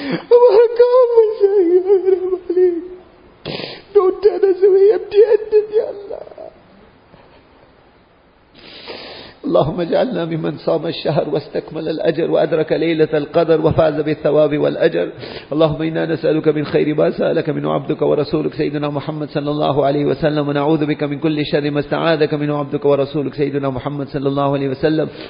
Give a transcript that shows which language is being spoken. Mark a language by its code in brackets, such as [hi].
[ur] ہمارا کام بن جائے گا, ایک دفعہ ہمارا کام بن جائے گا. [en] Don't turn us away empty handed. [ar] Ya Allah, اللهم اجعلنا ممن صام الشهر واستكمل الأجر وأدرك ليلة القدر وفاز بالثواب والأجر. اللهم إنا نسألك من خير ما سألك منه عبدك ورسولك سيدنا محمد صلى الله عليه وسلم, ونعوذ بك من كل شر ما استعاذك منه عبدك ورسولك سيدنا محمد صلى الله عليه وسلم.